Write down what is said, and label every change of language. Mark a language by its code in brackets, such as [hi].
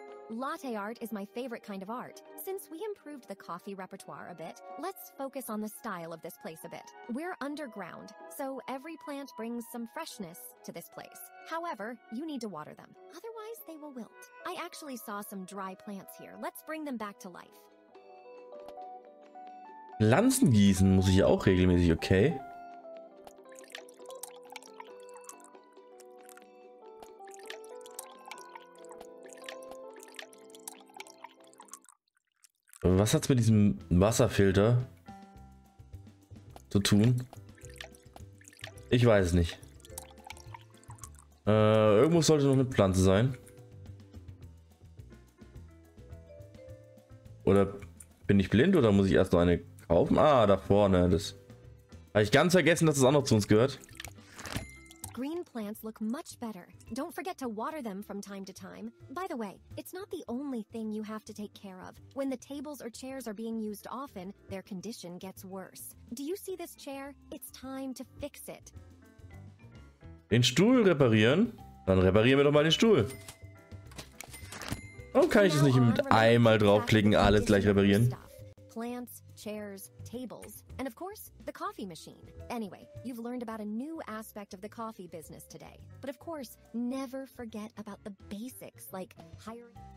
[en] Latte art is my favorite kind of art. Since we improved the coffee repertoire a bit, let's focus on the style of this place a bit. We're underground, so every plant brings some freshness to this place. However, you need to water them. Otherwise, they will wilt. I actually saw some dry plants here. Let's bring them back to life. [de] Pflanzen gießen muss ich auch regelmäßig, okay? Was hat's mit diesem Wasserfilter zu tun? Ich weiß es nicht. Irgendwo sollte noch eine Pflanze sein. Oder bin ich blind oder muss ich erst noch eine kaufen? Ah, da vorne. Das habe ich ganz vergessen, dass das auch noch zu uns gehört. [en] Green plants look much better. Don't forget to water them from time to time. By the way, it's not the only thing you have to take care of. When the tables or chairs are being used often, their condition gets worse. Do you see this chair? It's time to fix it. [de] Den Stuhl reparieren? Dann reparieren wir doch mal den Stuhl. Warum kann ich es nicht mit einmal draufklicken, alles gleich reparieren? [en] Plants, chairs, tables, and of course, the coffee machine. Anyway, you've learned about a new aspect of the coffee business today. But of course, never forget about the basics, like hiring...